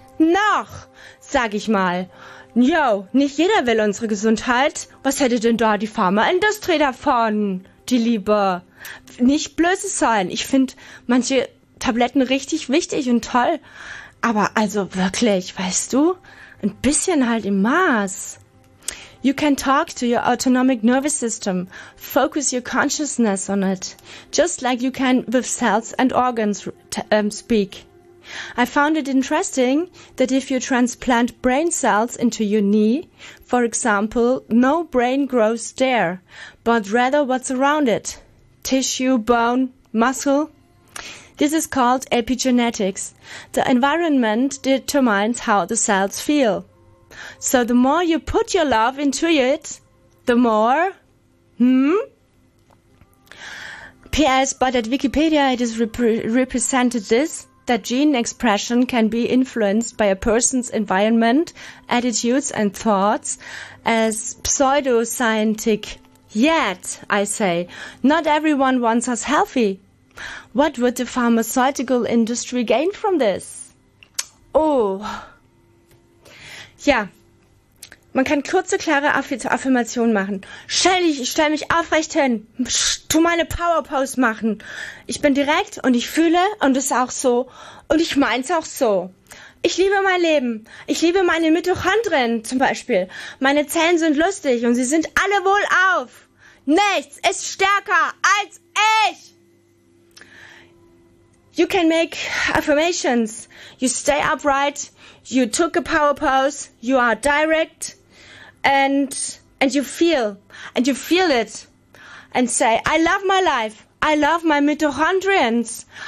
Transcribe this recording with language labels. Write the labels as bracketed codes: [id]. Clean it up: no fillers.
[de] Noch, sag ich mal. Yo, nicht jeder will unsere Gesundheit. Was hätte denn da die Pharmaindustrie davon, die Liebe? Nicht blöse sein. Ich finde manche Tabletten richtig wichtig und toll. Aber also wirklich, weißt du? Ein bisschen halt im Maß. [en] You can talk to your autonomic nervous system. Focus your consciousness on it. Just like you can with cells and organs speak. I found it interesting that if you transplant brain cells into your knee, for example, no brain grows there, but rather what's around it. Tissue, bone, muscle. This is called epigenetics. The environment determines how the cells feel. So the more you put your love into it, the more... P.S. But at Wikipedia it is represented this, that gene expression can be influenced by a person's environment, attitudes and thoughts as pseudoscientific. Yet, I say, not everyone wants us healthy. What would the pharmaceutical industry gain from this? [de] Oh. Ja. Man kann kurze, klare Affirmationen machen. Ich stelle mich aufrecht hin. Tu meine Powerpose machen. Ich bin direkt und ich fühle und es ist auch so. Und ich meine es auch so. Ich liebe mein Leben. Ich liebe meine Mitochondrien zum Beispiel. Meine Zellen sind lustig und sie sind alle wohlauf. Nichts ist stärker als ich. [en] You can make affirmations. You stay upright. You took a power pose. You are direct. And you feel. And you feel it. And say, I love my life. I love my mitochondrions.